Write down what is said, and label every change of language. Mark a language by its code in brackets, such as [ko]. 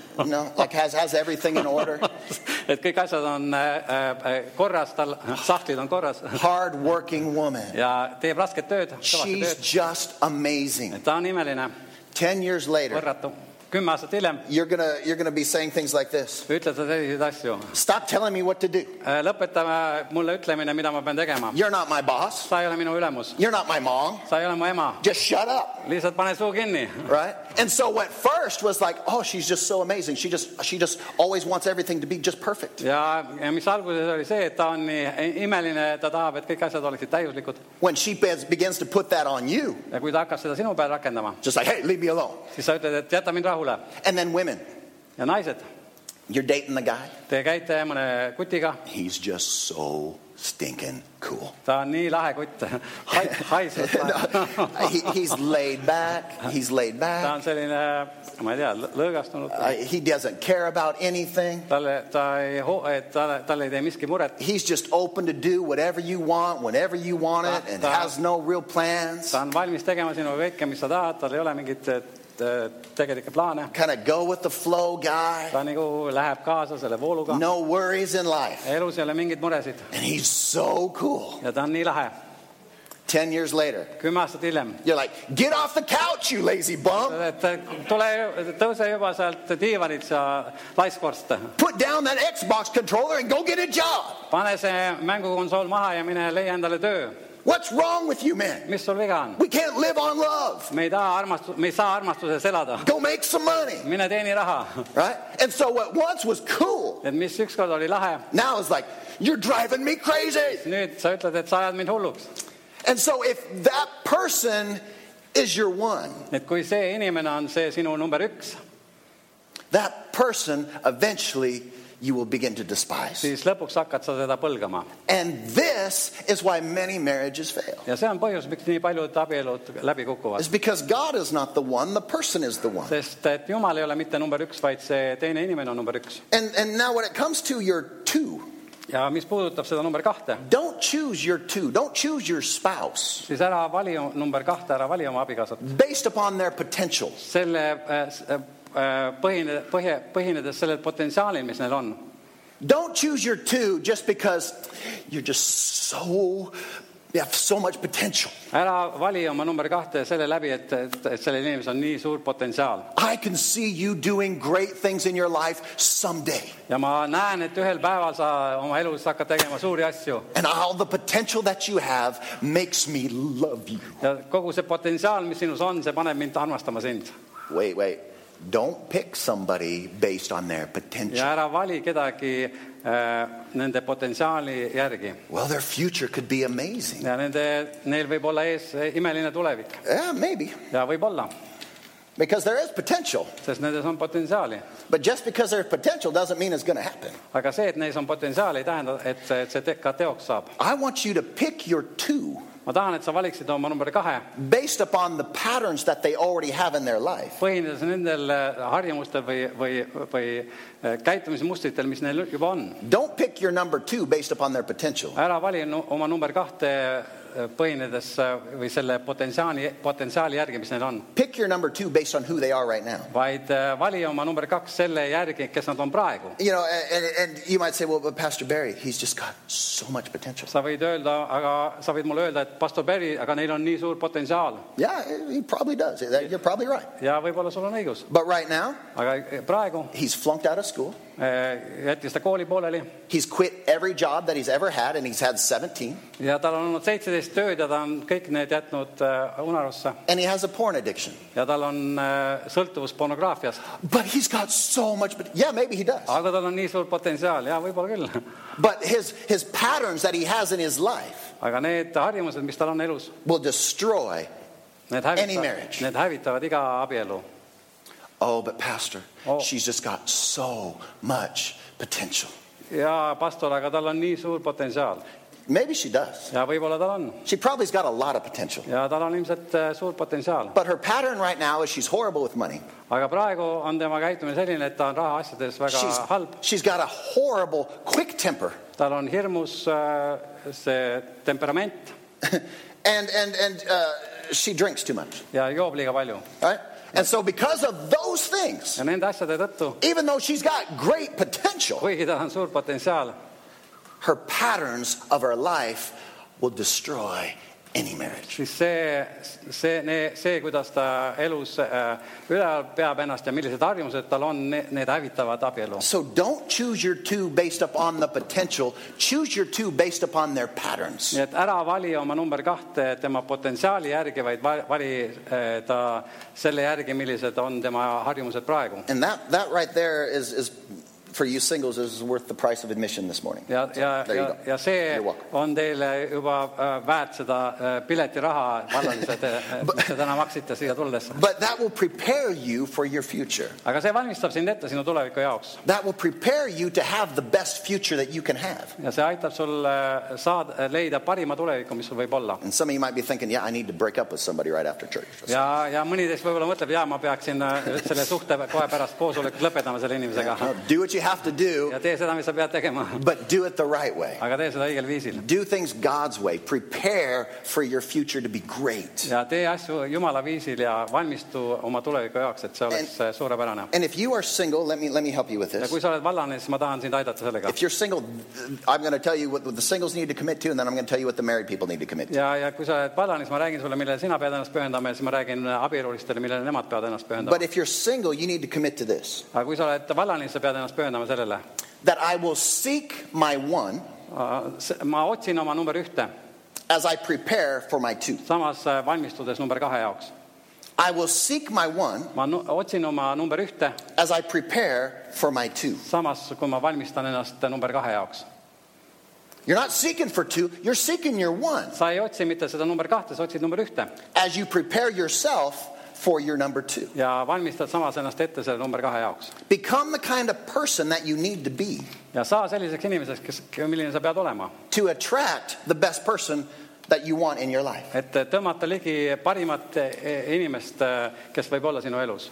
[en] No, like has everything in order. [et] Et kõik asjad on korras, tal sahtlid on korras. [en] Hard working woman. [et] Ja teeb rasket tööd. [en] She's just amazing. [et] Ta on imeline. [en] 10 years later. [et] Korratu. 10 aastat hiljem. [en] You're gonna be saying things like this. [et] Ütled sa sellised asju. [en] Stop telling me what to do. [et] Lõpeta mulle ütlemine, mida ma pean tegema. [en] You're not my boss. [et] Sa ei ole minu ülemus. [en] You're not my mom. [et] Sa ei ole mu ema. [en] Just shut up. [et] Lihtsalt pane suu kinni. [en] Right? And so what first was like, oh, she's just so amazing. She just always wants everything to be just perfect. [et] Ja mis alguses oli see, et ta on nii imeline, ta tahab, et kõik asjad oleksid täiuslikud. [en] When she begins to put that on you, [et] ja kui ta hakkas seda sinu peal rakendama, [en] just like, hey, leave me alone. [et] Siis sa ütled, et jäta mind rahule. [en] And then women. [et] Ja naised. [en] You're dating the guy. [et] Te käite mõne kutiga. [en] He's just so stinking cool. [et] Ta on nii lahe kutt. Haisus. [en] He's laid back. [et] Ta on selline, ma ei tea, lõõgastunud. [en] He doesn't care about anything. [et] Tal ei tee miski muret. [en] He's just open to do whatever you want, whenever you want it, and has no real plans. [et] Ta on valmis tegema sinu kõike, mis sa tahad. Tal ei ole mingit tegelike plaane. [en] Kind of go with the flow guy. [et] Ta nagu läheb kaasa selle vooluga. [en] No worries in life. [et] Elus ei ole mingid muresid. [en] And he's so cool. [et] Ja ta on nii lahe. [en] 10 years later. [et] 10 aastat hiljem. [en] You're like, get off the couch, you lazy bum. [et] Tule tõuse juba sealt diivanilt, sa laiskvorst. [en] Put down that Xbox controller and go get a job. [et] Pane see mängukonsool maha ja mine leia endale töö. [en] What's wrong with you, man? [et] Mis sul viga on? [en] We can't live on love. [et] Me ei saa armastuses elada. [en] Go make some money. [et] Mine teeni raha. [en] Right? And so what once was cool. [et] Et mis ükskord oli lahe. [en] Now it's like, you're driving me crazy. [et] Nüüd sa ütled, et sa ajad mind hulluks. [en] And so if that person is your one. [et] Et kui see inimene on see sinu number üks. [en] That person eventually you will begin to despise. [et] Siis lõpuks hakkad sa seda põlgama. [en] And this is why many marriages fail. [et] Ja see on põhjus, miks nii paljud abielud läbi kukuvad. [en] It's because God is not the one, the person is the one. [et] Sest et Jumal ei ole mitte number üks, vaid see teine inimene on number üks. [en] And now when it comes to your two. [et] Ja mis puudutab seda number kahte. [en] Don't choose your two. Don't choose your spouse. [et] Siis ära vali number kahte, ära vali oma abikaasat. [en] Based upon their potential. [et] Selle põhinedes sellel potentsiaalil, mis neil on. [en] Don't choose your two just because you're just so, you have so much potential. [et] Ära vali oma number kahte selle läbi, et sellel inimes on nii suur potentsiaal. [en] I can see you doing great things in your life someday. [et] Ja ma näen, et ühel päeval sa oma elus hakkad tegema suuri asju. [en] And all the potential that you have makes me love you. [et] Ja kogu see potentsiaal, mis sinus on, see paneb mind armastama sind. [en] Wait. Don't pick somebody based on their potential. [et] Ja ära vali kedagi nende potentsiaali järgi. [en] Well, their future could be amazing. [et] Ja neil võib olla ees imeline tulevik. [en] Yeah, maybe. [et] Ja võib olla. [en] Because there is potential. [et] Sest nendes on potentsiaali. [en] But just because there is potential doesn't mean it's going to happen. [et] Aga see, et neis on potentsiaali, ei tähenda, et see ka teoks saab. [en] I want you to pick your two. [et] Ma tahan, et sa valiksid oma number kahe. [en] Based upon the patterns that they already have in their life. [et] Põhines nendel harjumustel või käitumismustritel, mis neil juba on. [en] Don't pick your number two based upon their potential. [et] Ära vali oma number kahte põhinedes või selle potentsiaali järgi, mis neil on. [en] Pick your number two based on who they are right now. [et] Vaid vali oma number kaks selle järgi, kes nad on praegu. [en] You know, and you might say, well, but Pastor Barry, he's just got so much potential. [et] Sa võid mulle öelda, et Pastor Barry, aga neil on nii suur potentsiaal. [en] Yeah, he probably does. You're probably right. [et] Ja võib-olla sul on õigus. [en] But right now, [et] aga praegu, [en] he's flunked out of school. [et] Jätis ta kooli pooleli. [en] He's quit every job that he's ever had, and he's had 17. [et] Ja tal on olnud 17 tööd ja ta on kõik need jätnud unarusse. [en] And he has a porn addiction. [et] Ja tal on sõltuvus pornograafias. [en] But he's got so much, but yeah, maybe he does. [et] Aga tal on nii suur potentsiaal, ja võib-olla küll. [en] But his patterns that he has in his life. [et] aga need harjumused, mis tal on elus, [en] will destroy [et] need hävita, [en] any marriage. [et] Need hävitavad iga abielu. [en] Oh, but pastor, she's just got so much potential. [et] Ja, pastor, aga tal on nii suur potentsiaal. [en] Maybe she does. [et] Ja, võibolla tal on. [en] She probably's got a lot of potential. [et] Ja, tal on ilmselt suur potentsiaal. [en] But her pattern right now is she's horrible with money. [et] Aga praegu on tema käitumine selline, et ta on raha asjades väga halb. [en] She's got a horrible quick temper. [et] Tal on hirmus see temperament. [en] And she drinks too much. [et] Ja, joob liiga palju. [en] Right? And so because of those things, [et] ja nende asjade tõttu, [en] even though she's got great potential, [et] kuigi tal on suur potentsiaal, [en] her patterns of her life will destroy any marriage. [et] See, kuidas ta elus üleval peab ennast ja millised harjumused tal on, need hävitavad abielu. [en] So don't choose your two based upon the potential. Choose your two based upon their patterns. [et] Et ära vali oma number kahte tema potentsiaali järgi, vaid vali ta selle järgi, millised on tema harjumused praegu. [en] And that right there is for you singles is worth the price of admission this morning. [et] Ja, so, ja, [en] there you go. [et] Ja see on teile juba väärt seda pileti raha vallaliselt täna maksite siia tulles. [en] But that will prepare you for your future. [et] Aga see valmistab sind ette sinu tuleviku jaoks. [en] That will prepare you to have the best future that you can have. [et] Ja see aitab sul saada leida parima tuleviku, mis sul võib olla. [en] And some of you might be thinking, yeah, I need to break up with somebody right after church. [et] Ja mõni teist võib-olla mõtleb, ja ma peaksin selle suhte kohe pärast koosoleku lõpetama selle inimesega. [en] What you have to do, [et] ja tee seda, mis sa pead tegema. [en] But do it the right way. [et] Aga tee seda õigel viisil. [en] Do things God's way. Prepare for your future to be great. [et] Ja tee asju Jumala viisil ja valmistu oma tuleviku jaoks, et see oleks suurepärane. [en] And if you are single, let me help you with this. [et] Ja kui sa oled vallane, siis ma tahan sind aidata sellega. [en] If you're single, I'm going to tell you what the singles need to commit to, and then I'm going to tell you what the married people need to commit to. [et] Ja kui sa oled vallane, siis ma räägin sulle, millele sina pead ennast pühendama, siis ma räägin abielulistele, millele nemad peavad ennast pühendama. [en] But if you're single, you need to commit to this. [et] Aga kui sa oled vallane, siis sa pead ennast [en] that I will seek my one [et] ma otsin oma number ühte, [en] as I prepare for my two. [et] Samas valmistudes number kahe jaoks. [en] I will seek my one [et] ma otsin oma number ühte, [en] as I prepare for my two. [et] Samas kui ma valmistan ennast number kahe jaoks. [en] You're not seeking for two, you're seeking your one. [et] Sa ei otsi mitte seda number kahte, sa otsid number ühte. [en] As you prepare yourself for your number two. [et] Ja valmistad samas ennast ette selle number kahe jaoks. [en] Become the kind of person that you need to be. [et] Ja saa selliseks inimeseks, kes milline sa pead olema. [en] To attract the best person that you want in your life. [et] Et tõmmata ligi parimat inimest, kes võib olla sinu elus.